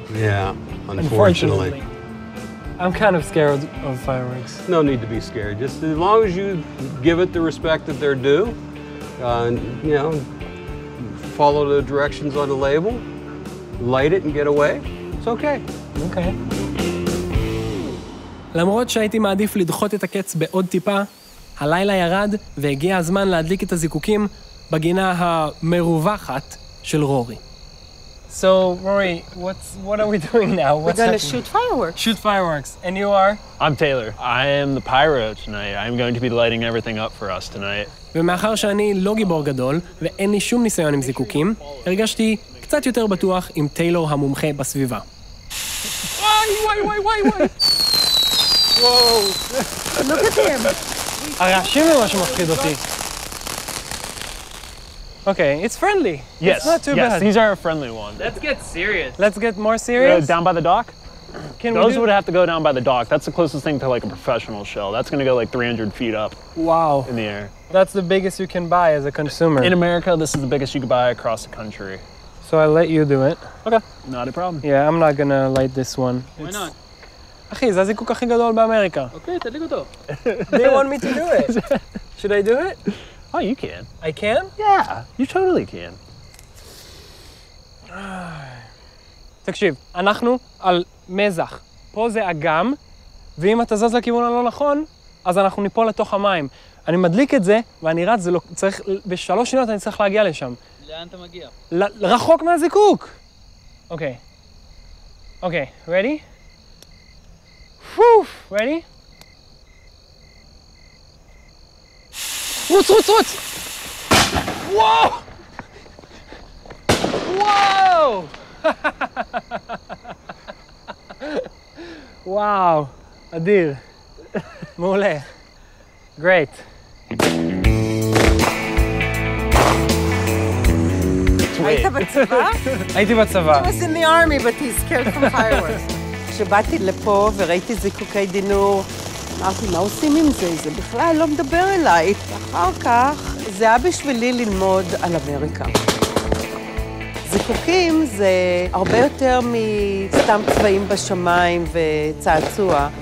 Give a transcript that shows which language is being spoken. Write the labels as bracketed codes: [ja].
[en] Yeah, unfortunately. I'm kind of scared of fireworks. No need to be scared. Just as long as you give it the respect that they're due, you know, follow the directions on the label, light it and get away, it's okay. Okay. [he] למרות שהייתי מעדיף לדחות את הקץ בעוד טיפה, הלילה ירד והגיע הזמן להדליק את הזיקוקים בגינה המרווחת של רורי. [en] So, Rory, what are we doing now? We're going to shoot fireworks. Shoot fireworks. And you are? I'm Taylor. I am the pyro tonight. I'm going to be lighting everything up for us tonight. [he] ומאחר שאני לא גיבור גדול ואין לי שום ניסיון עם זיקוקים, הרגשתי קצת יותר בטוח עם טיילור המומחה בסביבה. הרעשים הם מה שמפחיד אותי. [en] Okay, it's friendly. Yes, it's not too bad. These are a friendly one. Let's get serious. Let's get more serious. Down by the dock? Can those would have to go down by the dock. That's the closest thing to like a professional shell. That's going to go like 300 feet up. Wow. In the air. That's the biggest you can buy as a consumer. In America, this is the biggest you can buy across the country. So I let you do it. Okay. Not a problem. Yeah, I'm not going to light this one. Why not? [he] אחי, זה הזיקוק הכי גדול באמריקה. אוקיי, תדליק אותו. [en] They want me to do it. Should I do it? Oh, you can. I can? Yeah, you totally can. [he] תקשיב, אנחנו על מזח. פה זה אגם, ואם אתה זז לכיוון הלא נכון, אז אנחנו ניפול לתוך המים. אני מדליק את זה, ואני רץ, זה לא... צריך... בשלוש שניות אני צריך להגיע לשם. לאן אתה מגיע? רחוק מהזיקוק! אוקיי. אוקיי, [en] ready? Woof, ready? Woof, woof, woof. Whoa! Whoa! Wow, Adir. Mole. Great. Wait. [he] הייתי בצבא? [en] He was in the army, but he's scared from fireworks. [he] כשבאתי לפה וראיתי זיקוקי דינור, אמרתי, מה עושים עם זה? זה בכלל לא מדבר אליי. אחר כך, זה היה בשבילי ללמוד על אמריקה. זיקוקים זה הרבה יותר מסתם צבעים בשמיים וצעצוע.